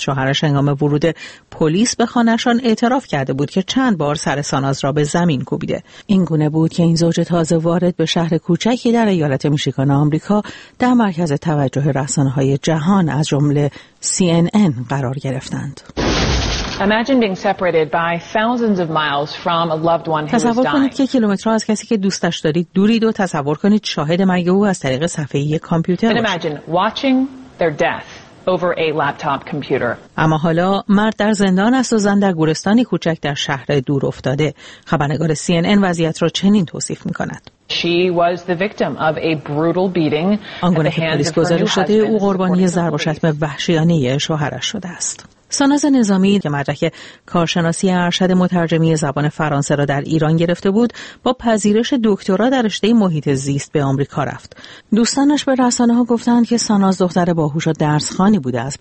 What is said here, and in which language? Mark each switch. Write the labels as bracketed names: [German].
[Persian] شوهرش هنگام ورود پلیس به خانهشان اعتراف کرده بود که چند بار سر ساناز را به زمین کوبیده. این گونه بود که این زوج تازه وارد به شهر کوچکی در ایالت میشیگان آمریکا در مرکز توجه رسانه‌های جهان از جمله CNN قرار گرفتند. [English] Imagine being separated by thousands of miles from a loved one who is dying. [Persian] تصور کنید که کیلومترها از کسی که دوستش دارید دورید و تصور کنید شاهد مرگ او از طریق صفحه یک کامپیوتر. [English] Imagine watching their death over a laptop computer. [Persian] اما حالا مرد در زندان است و زن در گورستانی کوچک در شهر دور افتاده. خبرنگار CNN وضعیت را چنین توصیف می‌کند. [English] She was the victim of a brutal beating at the hands of her husband. [Persian] او قربانی ضرب و شتم وحشیانه شوهرش شده است. ساناز نظامی که مدرک کارشناسی ارشد مترجمی زبان فرانسه را در ایران گرفته بود، با پذیرش دکترا در رشته محیط زیست به آمریکا رفت. دوستانش به رسانه‌ها گفتند که ساناز دختر باهوش و درس‌خوانی بوده است.